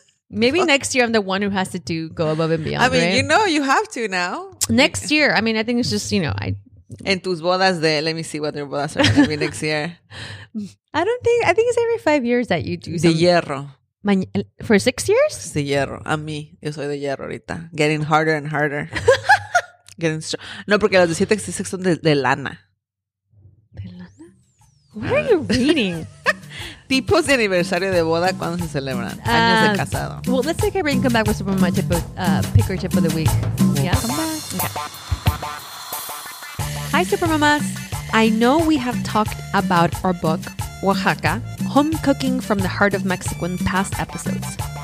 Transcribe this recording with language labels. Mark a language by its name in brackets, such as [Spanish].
[English] Maybe next year I'm the one who has to go above and beyond. I mean, right? You know, you have to now. Next year. I mean, I think it's just, you know, I... And [Spanish] tus bodas de... [English] Let me see what your bodas are going to be next year. I don't think... I think it's every 5 years that you do something. [Spanish] De hierro. [English] For 6 years? [Spanish] De hierro. A mí. Yo soy de hierro ahorita. [English] Getting harder and harder. Getting strong. [Spanish] No, porque los de 7 son de lana. ¿De lana? [English] What are you reading? [Spanish] Tipos de aniversario de boda, ¿cuándo se celebran? Años de casado. [English] Well, let's take a break and come back with some of my picker tip of the week. Yeah, come back. Okay. Hi, Supermamas. I know we have talked about our book, Oaxaca, Home Cooking from the Heart of Mexico in past episodes.